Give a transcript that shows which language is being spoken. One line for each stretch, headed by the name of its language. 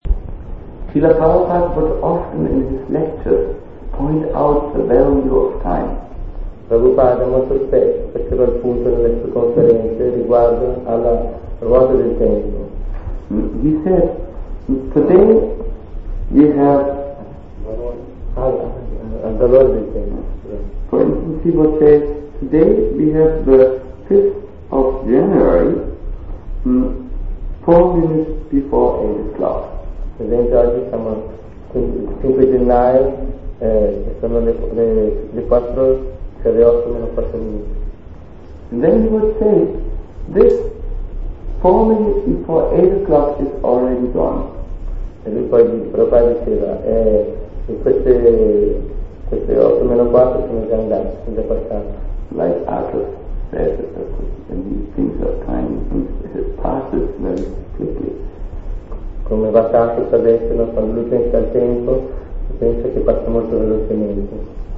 English: Srila Prabhupada would often in his lectures point out the value of time.
Italian: Prabhupada molto spesso faceva il punto nelle sue conferenze riguardo alla ruota del tempo.
English: He said, today we have
Italian: al valore del tempo.
English: For instance, he would say, today we have the 5th of January, 4 minutes before 8 o'clock.
Italian: Per esempio, oggi siamo il 5 gennaio, sono le 4, cioè le 8 meno 4 minuti.
English: And then he would say, this 4 minutes before 8 o'clock is already gone.
Italian: E lui poi Prabhupada diceva, queste 8 meno 4 sono già andate, sono già passate.
English: Like Atlas says, and these things are time, it passes very quickly.
Italian: Come Vatasha sta dicendo, quando lui pensa al tempo, pensa che passa molto velocemente.